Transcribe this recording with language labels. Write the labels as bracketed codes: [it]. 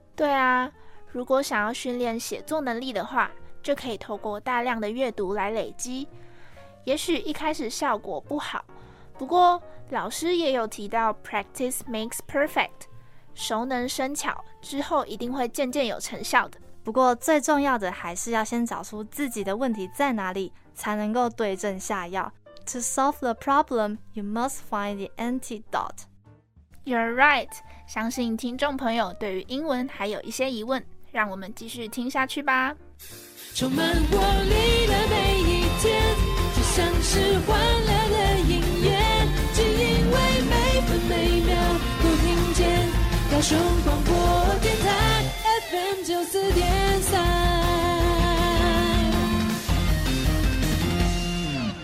[zh] 对啊，如果想要训练写作能力的话，就可以透过大量的阅读来累积，也许一开始效果不好，不过老师也有提到 [en] practice makes perfect， [zh] 熟能生巧之后一定会渐渐有成效的。不过最重要的还是要先找出自己的问题在哪里，才能够对症下药。 [en] To solve the problem, you must find the antidote. You're right. [zh] 相信听众朋友对于英文还有一些疑问，让我们继续听下去吧。充满活力的每一天，就像是欢乐的音乐，只因为每分每秒都听见高雄广播电台FM94.3。